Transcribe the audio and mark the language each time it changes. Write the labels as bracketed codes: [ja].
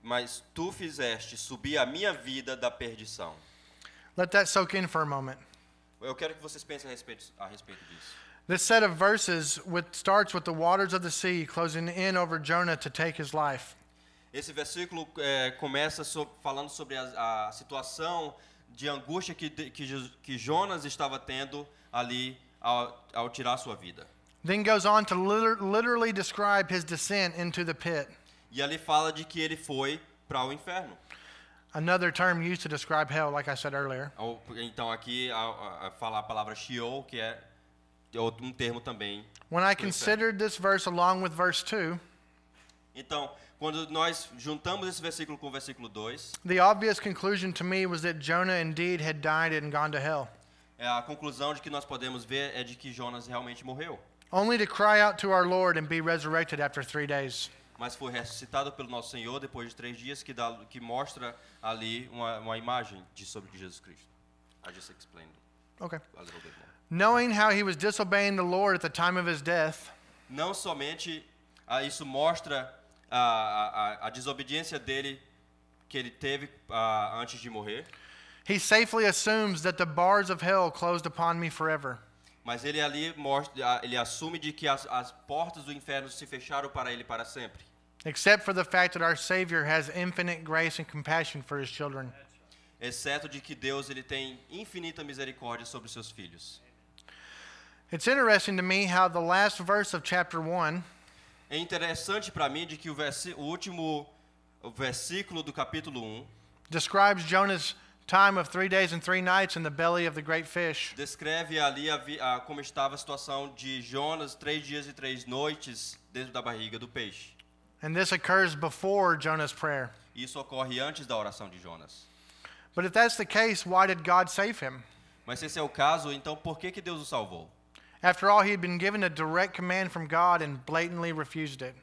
[pt] Mas tu fizeste subir a minha vida da perdição. [en] Let that soak in for a moment. [pt] Eu quero que vocês pensem a respeito disso. [en] This set of verses starts with the waters of the sea closing in over Jonah to take his life. [pt] Esse versículo começa falando sobre a situação de angústia que Jonas estava tendo ali ao tirar sua vida. [en] Then goes on to literally describe his descent into the pit. [pt] E ali fala de que ele foi para o inferno. [en] Another term used to describe hell, like I said earlier. [pt] Então aqui fala a palavra Sheol, que é outro termo também. [en] When I considered this verse along with verse 2, [pt] então quando nós juntamos esse versículo com o versículo 2, [en] the obvious conclusion to me was that Jonah indeed had died and gone to hell. [pt] A conclusão de que nós podemos ver é de que Jonas realmente morreu. [en] Only to cry out to our Lord and be resurrected after 3 days. [pt] Mas foi ressuscitado pelo nosso Senhor depois de 3 dias, que mostra ali uma imagem sobre Jesus Cristo. [en] I just explained. Okay. A little bit more. Knowing how he was disobeying the Lord at the time of his death. [pt] Não somente isso mostra a desobediência dele que ele teve antes de morrer. [en] He safely assumes that the bars of hell closed upon me forever. [pt] Mas ele ali mostra, ele assume de que as portas do inferno se fecharam para ele para sempre. [en] Except for the fact that our Savior has infinite grace and compassion for his children. [pt] Exceto de que Deus ele tem infinita misericórdia sobre seus filhos. [en] It's interesting to me how the last verse of chapter 1. [pt] É interessante para mim de que o último versículo do capítulo 1 [en] describes Jonah's time of 3 days and 3 nights in the belly of the great fish. [pt] Descreve ali como estava a situação de Jonas 3 dias e 3 noites dentro da barriga do peixe. [en] And this occurs before Jonah's prayer. [pt] Isso ocorre antes da oração de Jonas. [en] But if that's the case, why did God save him? [pt] Mas se esse é o caso, então por que Deus o salvou? [en] After all, he had been given a direct command from God and blatantly refused it.